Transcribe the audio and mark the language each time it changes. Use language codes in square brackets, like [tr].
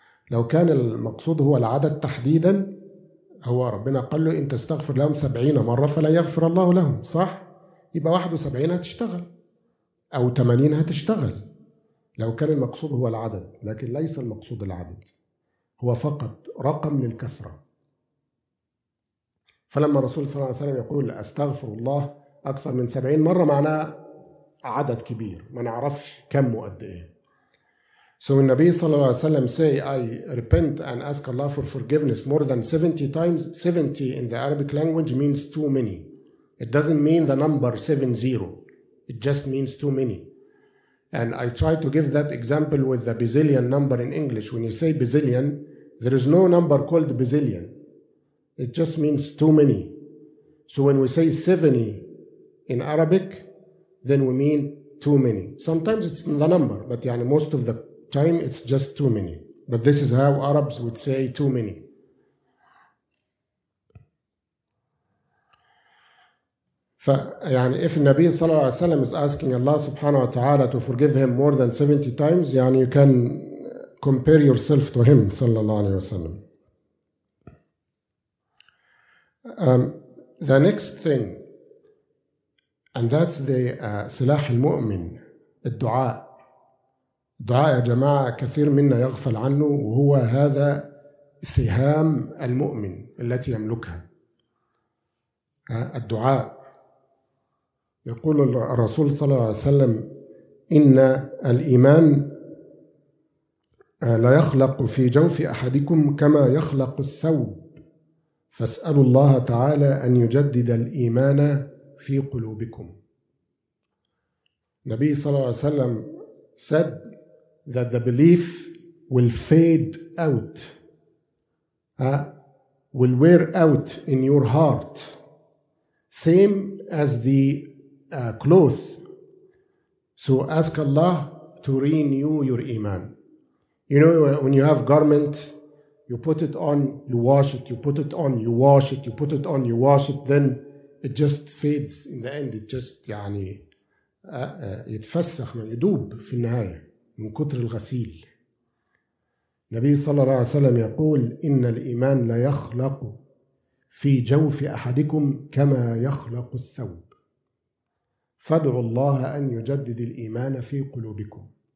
[ar] لو كان المقصود هو العدد تحديدا, هو ربنا قال له إن تستغفر لهم 70 مرة فلن يغفر الله لهم, صح؟ يبقى 71 هتشتغل أو 80 هتشتغل لو كان المقصود هو العدد, لكن ليس المقصود العدد, هو فقط رقم للكثرة. فلما الرسول صلى الله عليه وسلم يقول أستغفر الله أكثر من 70 مرة, معناه عدد كبير ما نعرفش كم وقد إيه. [en] So [ar] النبي صلى الله عليه وسلم [en] say I repent and ask Allah for forgiveness more than 70 times. 70 in the Arabic language means too many. It doesn't mean the number 70. It just means too many. And I try to give that example with the bazillion number in English. When you say bazillion, There is no number called bazillion. It just means too many. So when we say 70 in Arabic, then we mean too many. Sometimes it's the number, but [ar] yani [en] most of the time it's just too many. But this is how Arabs would say too many. [ar] فيعني [en] if [ar] النبي صلى الله عليه وسلم [en] is asking Allah [ar] سبحانه وتعالى [en] to forgive him more than 70 times, [ar] يعني [en] you can compare yourself to him [ar] صلى الله عليه وسلم. [en] The next thing, and that's the [ar] سلاح المؤمن, الدعاء. دعاء يا جماعة كثير منا يغفل عنه, وهو هذا سهام المؤمن التي يملكها. الدعاء. يقول الرسول صلى الله عليه وسلم إن الإيمان لا يخلق في جوف أحدكم كما يخلق الثوب فاسألوا الله تعالى أن يجدد الإيمان في قلوبكم. النبي صلى الله عليه وسلم [en] said that the belief will fade out, will wear out in your heart, same as the cloth. So ask Allah to renew your iman. You know, when you have garment, you put it on, you wash it, you put it on, you wash it, you put it on, you wash it, then it just fades in the end. It just [ar] يعني يتفسخ يدوب في النهاية من كتر الغسيل. النبي صلى الله عليه وسلم يقول إن الإيمان لا يخلق في جوف أحدكم كما يخلق الثوب فادعوا الله أن يجدد الإيمان في قلوبكم.